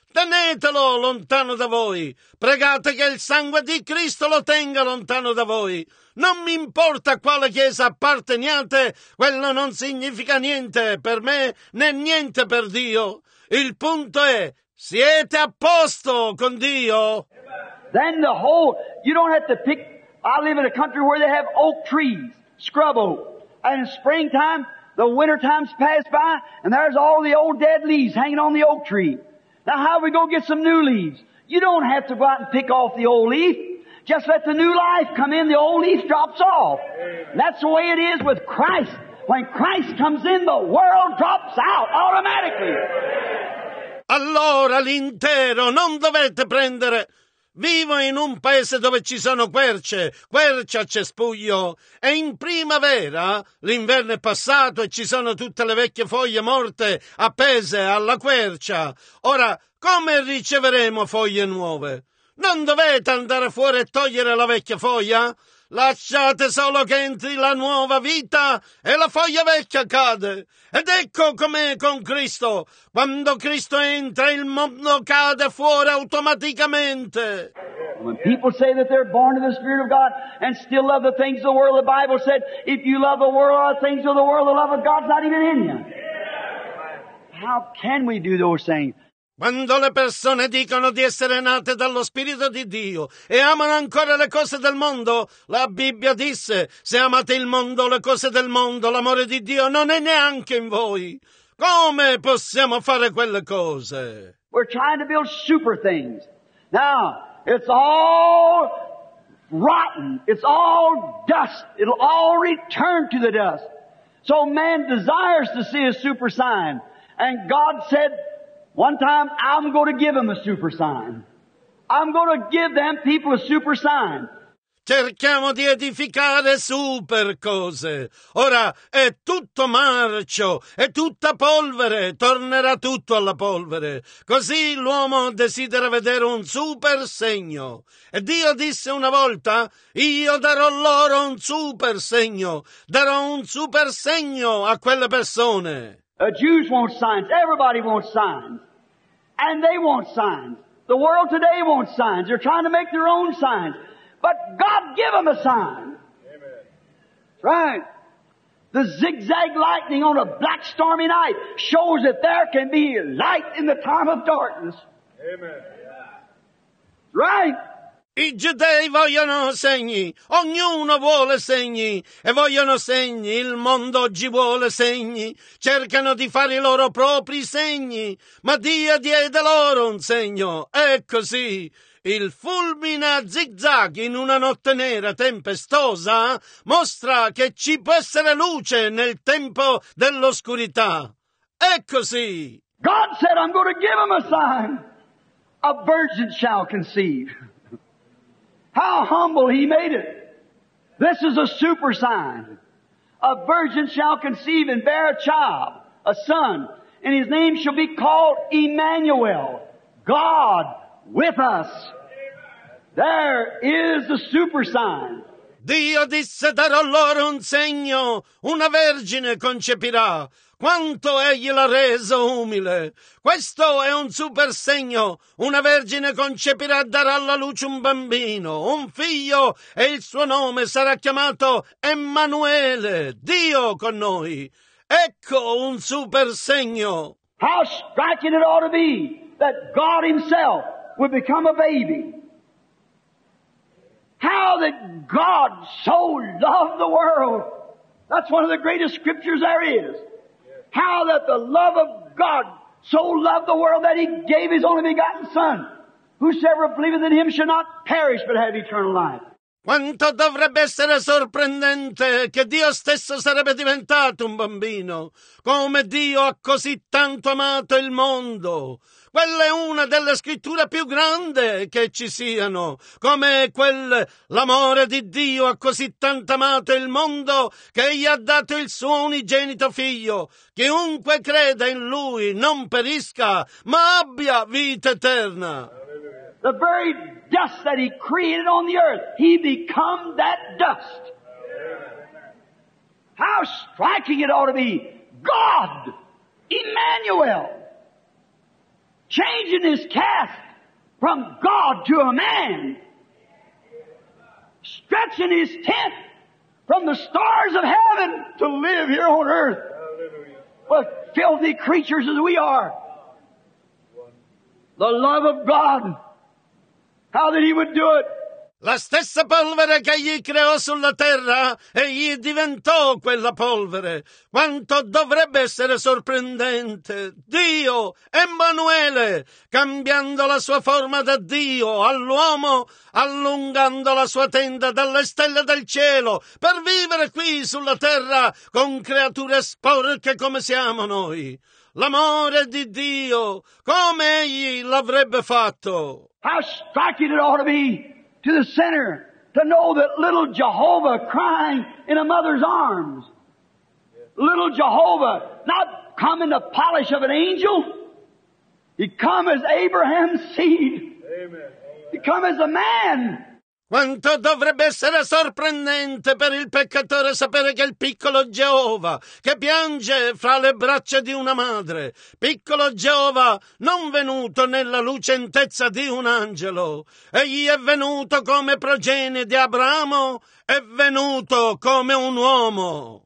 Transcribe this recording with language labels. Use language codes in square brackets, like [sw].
[it] Tenetelo lontano da voi. Pregate che il sangue di Cristo lo tenga lontano da voi. Non mi importa a quale chiesa apparteniate, quello non significa niente per me né niente per Dio. Il punto è, siete a posto con Dio? [en] Then the whole, you don't have to pick I live in a country where they have oak trees, scrub oak. And in springtime, the winter times pass by, and there's all the old dead leaves hanging on the oak tree. Now how are we going to get some new leaves? You don't have to go out and pick off the old leaf. Just let the new life come in, the old leaf drops off. That's the way it is with Christ. When Christ comes in, the world drops out automatically. [it] Allora l'intero non dovete prendere. Vivo in un paese dove ci sono querce, quercia, cespuglio. E in primavera, l'inverno è passato e ci sono tutte le vecchie foglie morte appese alla quercia. Ora, come riceveremo foglie nuove? Non dovete andare fuori e togliere la vecchia foglia? Lasciate solo che entri la nuova vita e la foglia vecchia cade. Ed ecco com'è con Cristo. Quando Cristo entra, il mondo cade fuori automaticamente. [en] When people say that they're born of the Spirit of God and still love the things of the world, the Bible said, if you love the world or the things of the world, the love of God's not even in you. How can we do those things? [it] Quando le persone dicono di essere nate dallo Spirito di Dio e amano ancora le cose del mondo, la Bibbia disse, se amate il mondo, le cose del mondo, l'amore di Dio non è neanche in voi. Come possiamo fare quelle cose? [en] We're trying to build super things. Now, it's all rotten. It's all dust. It'll all return to the dust. So man desires to see a super sign. And God said, one time, I'm going to give them a super sign. I'm going to give them people a super sign. [it] Cerchiamo di edificare super cose. Ora è tutto marcio, è tutta polvere, tornerà tutto alla polvere. Così l'uomo desidera vedere un super segno. E Dio disse una volta, io darò loro un super segno. Darò un super segno a quelle persone. [en] The Jews want signs. Everybody wants signs. And they want signs. The world today wants signs. They're trying to make their own signs. But God give them a sign. Amen. Right. The zigzag lightning on a black stormy night shows that there can be light in the time of darkness. Amen. Yeah. Right. [it] I giudei vogliono segni, ognuno vuole segni, e vogliono segni, il mondo oggi vuole segni, cercano di fare i loro propri segni, ma Dio diede loro un segno, è così. Il fulmine a zigzag in una notte nera tempestosa mostra che ci può essere luce nel tempo dell'oscurità, è così. [en] God said, I'm going to give him a sign, a virgin shall conceive. How humble he made it. This is a super sign. A virgin shall conceive and bear a child, a son, and his name shall be called Emmanuel, God with us. There is the super sign. [it] Dio disse, darò loro un segno, una vergine concepirà. Quanto egli l'ha reso umile. Questo è un super segno. Una vergine concepirà e darà alla luce un bambino, un figlio, e il suo nome sarà chiamato Emmanuele, Dio con noi. Ecco un super segno. [en] How striking it ought to be that God himself would become a baby. How that God so loved the world. That's one of the greatest scriptures there is. How that the love of God so loved the world that he gave his only begotten Son. Whosoever believeth in him shall not perish but have eternal life. [it] Quanto dovrebbe essere sorprendente che Dio stesso sarebbe diventato un bambino. Come Dio ha così tanto amato il mondo. Quella è una delle scritture più grandi che ci siano. Come quel l'amore di Dio ha così tanto amato il mondo che gli ha dato il suo unigenito figlio. Chiunque creda in lui non perisca, ma abbia vita eterna. [en] The very dust that he created on the earth, he become that dust. How striking it ought to be. God, Emmanuel. Changing his cast from God to a man. Stretching his tent from the stars of heaven to live here on earth. What filthy creatures as we are. The love of God. How that he would do it. [it] La stessa polvere che egli creò sulla terra, egli diventò quella polvere. Quanto dovrebbe essere sorprendente! Dio, Emanuele, cambiando la sua forma da Dio all'uomo, allungando la sua tenda dalle stelle del cielo, per vivere qui sulla terra con creature sporche come siamo noi. L'amore di Dio, come egli l'avrebbe fatto? [en] How striking it ought to be to the sinner to know that little Jehovah crying in a mother's arms. Little Jehovah, not come in the polish of an angel. He come as Abraham's seed. Amen. He come as a man. [it] Quanto dovrebbe essere sorprendente per il peccatore sapere che il piccolo Geova che piange fra le braccia di una madre, piccolo Geova non venuto nella lucentezza di un angelo, egli è venuto come progenie di Abramo, è venuto come un uomo.